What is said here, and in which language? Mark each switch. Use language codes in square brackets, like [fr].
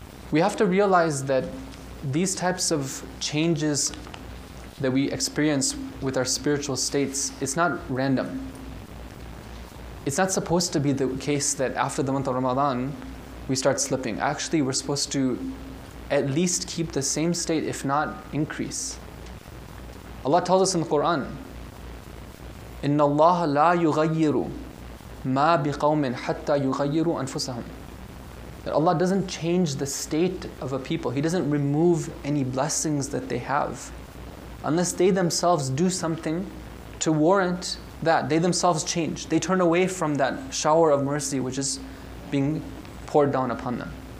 [en] We have to realize that these types of changes that we experience with our spiritual states, it's not random. It's not supposed to be the case that after the month of Ramadan, we start slipping. Actually, we're supposed to at least keep the same state, if not increase. Allah tells us in the Quran, [ar] إِنَّ اللَّهَ لَا يُغَيِّرُ مَا بِقَوْمٍ حَتَّى يُغَيِّرُ أَنفُسَهُمْ. [en] That Allah doesn't change the state of a people. He doesn't remove any blessings that they have unless they themselves do something to warrant that. They themselves change. They turn away from that shower of mercy which is being poured down upon them.